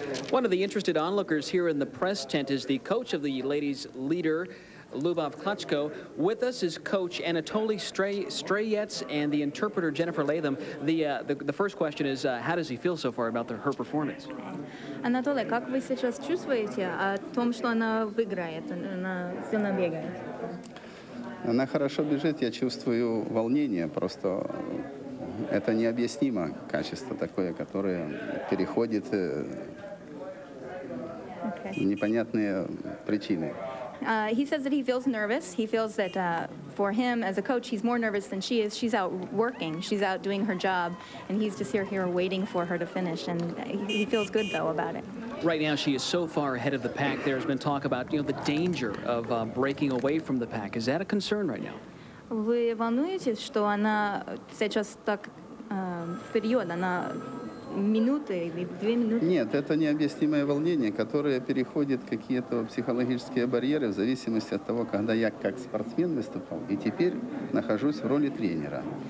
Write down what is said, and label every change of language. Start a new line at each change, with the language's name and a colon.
English: One of the interested onlookers here in the press tent is the coach of the ladies' leader, Lubov Klotchko. With us is Coach Anatoly Strayets and the interpreter Jennifer Latham. The first question is, how does he feel so far about her performance?
Russian: Anatoly, как вы сейчас чувствуете о том, что она выиграет на сильном беге? Она хорошо бежит. Я чувствую волнение. Просто это необъяснимо качество такое, которое переходит непонятные причины.
English: He says that he feels nervous. He feels that for him, as a coach, he's more nervous than she is. She's out working. She's out doing her job. And he's just here waiting for her to finish. And he feels good, though, about it. Right now, she is so far ahead of the pack. There's been talk about, you know, the danger of breaking away from the pack. Is that a concern right now?
Russian: Вы волнуетесь, что она сейчас так вперед, она... Нет, это необъяснимое волнение, которое переходит какие-то психологические барьеры в зависимости от того, когда я как спортсмен выступал и теперь нахожусь в роли тренера.